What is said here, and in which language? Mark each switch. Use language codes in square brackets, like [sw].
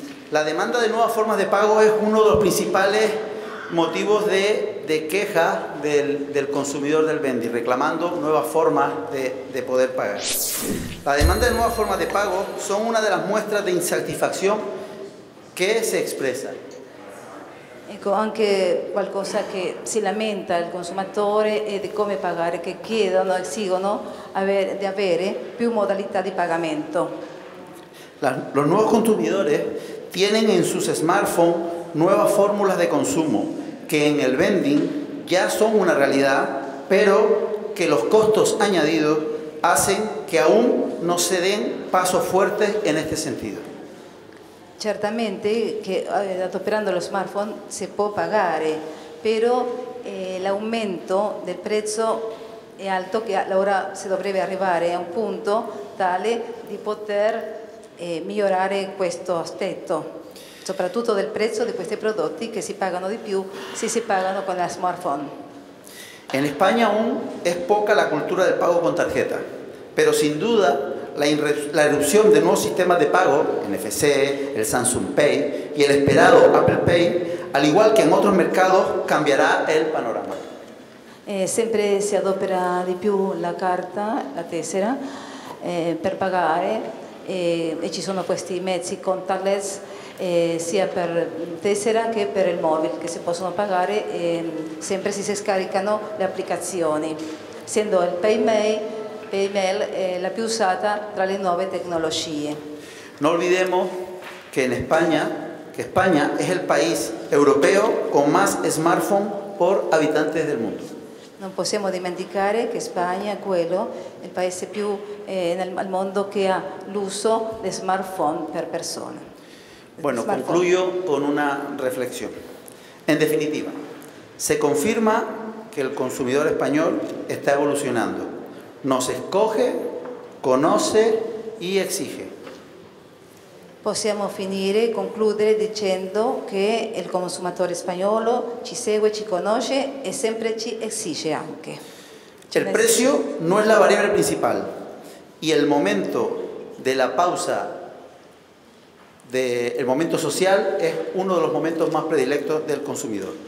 [es] La demanda de nuevas formas de pago es uno de los principales motivos de queja del consumidor del vending, reclamando nuevas formas de poder pagar. La demanda de nuevas formas de pago son una de las muestras de insatisfacción que se expresa. [it] Ecco, anche qualcosa che si lamenta il consumatore è di come pagare, che chiedono, esigono di avere più modalità di pagamento. [es] Los nuevos consumidores tienen en sus smartphones nuevas fórmulas de consumo que en el vending ya son una realidad, pero que los costos añadidos hacen que aún no se den pasos fuertes en este sentido. [it] Certamente [es] que operando los smartphones se puede pagar, pero el aumento del precio es alto, que ahora se debería llegar a un punto tal de poder [it] migliorare questo aspetto, soprattutto del prezzo di questi prodotti che si pagano di più se si pagano con la smartphone. [es] En España aún es poca la cultura del pago con tarjeta, pero sin duda la erupción de nuevos sistemas de pago, NFC, el Samsung Pay y el esperado Apple Pay, al igual que en otros mercados, cambiará el panorama. [it] Sempre si adopera di più la carta, la tessera, per pagare. E ci sono questi mezzi contactless sia per tessera che per il mobile che si possono pagare sempre si scaricano le applicazioni, essendo il PayMail la più usata tra le nuove tecnologie. [es] No olvidemos que España es el país europeo con más smartphone por habitantes del mundo. [it] Non possiamo dimenticare che Spagna è quello, il paese più al mondo che ha l'uso di smartphone per persona. [es] Bueno, concluyo con una reflexión. En definitiva, se confirma que el consumidor español está evolucionando. Nos escoge, conoce y exige. [it] Possiamo finire e concludere dicendo che il consumatore spagnolo ci segue, ci conosce e sempre ci esige anche. Il prezzo non è la variabile principale e il momento della pausa, del momento sociale, è uno dei momenti più prediletti del consumatore.